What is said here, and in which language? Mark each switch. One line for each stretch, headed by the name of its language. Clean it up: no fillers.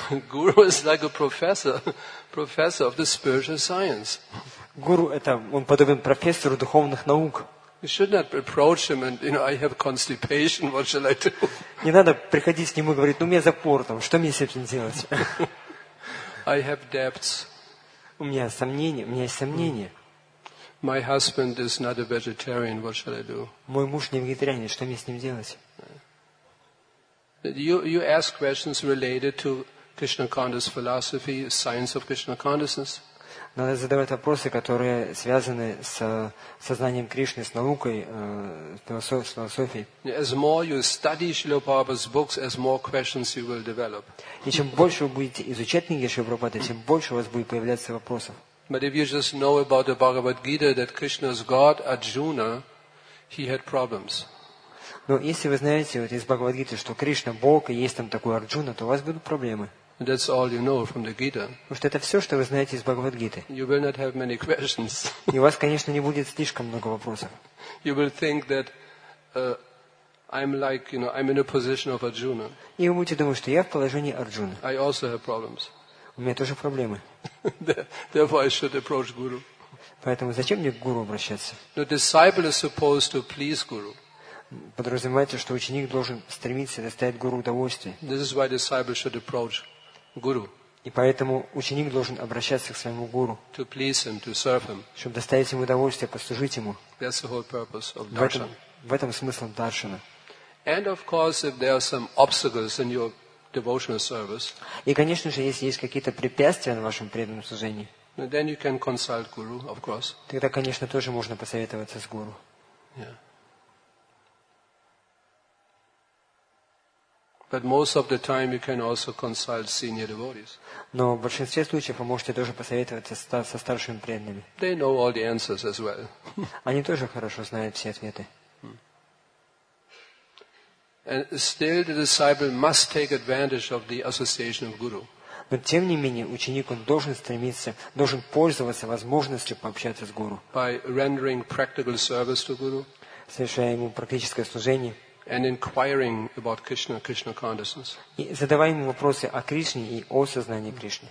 English: Гуру is like a professor of the spiritual science.
Russian: Гуру это, он подобен профессору духовных наук.
English: You should not approach him and, you know, I have constipation. What shall I do?
Russian: Не надо приходить к нему и говорить, ну у меня запор там, что мне с этим делать?
English: I have debts.
Russian: У меня сомнения, у меня есть сомнения.
English: My husband is not a vegetarian. What shall I do?
Russian: Мой муж не вегетарианец, что мне с ним делать?
English: You ask questions related to Krishna consciousness philosophy, science of Krishna consciousness.
Russian: Надо задавать вопросы, которые связаны с сознанием Кришны, с наукой, с философией. И чем больше вы будете изучать книги Шрилы Прабхупады, тем больше у вас будет появляться вопросов.
English: But if you just know about the Bhagavad Gita that Krishna is God, Arjuna, he had problems.
Russian: Но если вы знаете вот из Бхагавад Гиты, что Кришна Бог и есть там такой Арджуна, то у вас будут проблемы.
English: That's all you know from the Gita.
Russian: Потому что это все, что вы знаете из Бхагавад Гиты.
English: You will not have many questions.
Russian: И у вас, конечно, не будет слишком много вопросов.
English: You will think that I'm like, you know, I'm in a position of Arjuna.
Russian: И вы будете думать, что я в положении Арджуны.
English: I also have problems.
Russian: У меня тоже проблемы.
English: Therefore, I should approach Guru.
Russian: Поэтому зачем мне к Гуру обращаться?
English: The disciple is supposed to please Guru.
Russian: Подразумевается, что ученик должен стремиться доставить Гуру удовольствие.
English: This is why disciple should approach. Guru.
Russian: И поэтому ученик должен обращаться к своему гуру,
English: to please him, to serve him.
Russian: Чтобы доставить ему удовольствие, послужить ему.
English: That's the whole purpose of darshan.
Russian: В этом смысл даршана.
English: And of course, if there are some obstacles in your devotional service,
Russian: и, конечно же, если есть какие-то препятствия на вашем преданном служении,
English: then you can consult guru, of course.
Russian: Тогда, конечно, тоже можно посоветоваться с гуру.
English: Yeah. But most of the time you can also consult senior devotees.
Russian: Но в большинстве случаев вы можете тоже посоветоваться со старшими преданными.
English: They know all the answers as well.
Russian: Они тоже хорошо знают все ответы.
English: And still the disciple must take advantage of the association of guru.
Russian: Но тем не менее ученик он должен стремиться, должен пользоваться возможностью пообщаться с гуру.
English: By rendering practical service to guru.
Russian: Совершая ему практическое служение.
English: and inquiring about Krishna, Krishna consciousness.
Russian: И задавая ему вопросы о Кришне и о сознании Кришны.